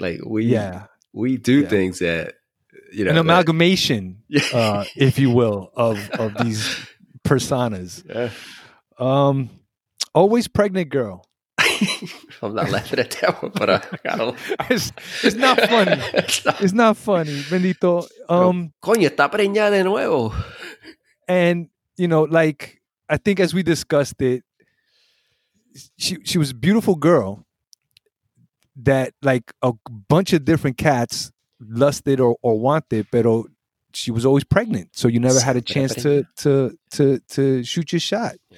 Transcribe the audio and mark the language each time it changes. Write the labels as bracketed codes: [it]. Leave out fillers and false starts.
[en] Like, we do things that, you know. An amalgamation, if you will, of these personas. Yeah. Always pregnant girl. I'm not laughing at that one, but I gotta it's not funny. It's not funny, [es] bendito. Coño, está preñada de nuevo. [en] And, you know, like, I think as we discussed it, she was a beautiful girl that, like, a bunch of different cats lusted or wanted, [es] pero [en] she was always pregnant, so you never had a chance to shoot your shot.